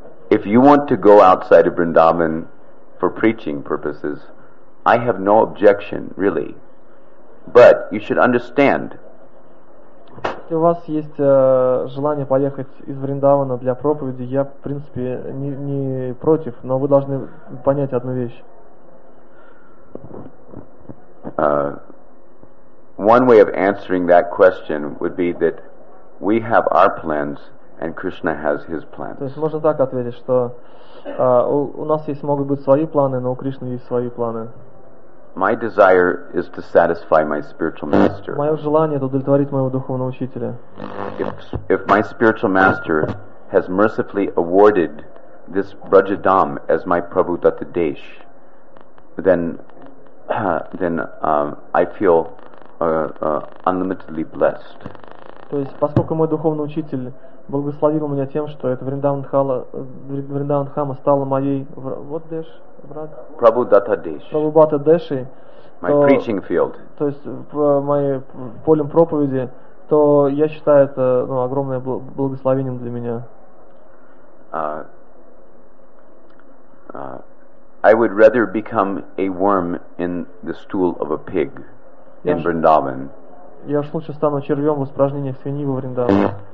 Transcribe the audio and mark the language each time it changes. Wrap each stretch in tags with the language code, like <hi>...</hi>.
<en>If you want to go outside of Vrindavan for preaching purposes, I have no objection, really. But you should understand.</en> <ru>Если у вас есть желание поехать из Вриндавана для проповеди, я, в принципе, не против, но вы должны понять одну вещь.</ru> <en>One way of answering that question would be that we have our plans and Krishna has his plans.</en> <ru>То есть можно так ответить, что у нас есть, могут быть, свои планы, но у Кришны есть свои планы.</ru> <en>My desire is to satisfy my spiritual master.</en> <ru>Моё желание это удовлетворить моего духовного учителя.</ru> <en>If my spiritual master has mercifully awarded this Brajadham as my Prabhu Datta Desh, then I feel unlimitedly blessed.</en> <ru>То есть, поскольку мой духовный учитель благословил меня тем, что это Вриндаван Хама стало моей вот деш.</ru> <en>Prabhu Datta Deshi, my preaching field.</en> <ru>То есть мое полем проповеди, то я считаю это огромное благословением для меня.</ru> <en>I would rather become a worm in the stool of a pig in Vrindavan.</en> <ru>Я уж лучше стану червем в испражнениях свиньи во Вриндаване.</ru>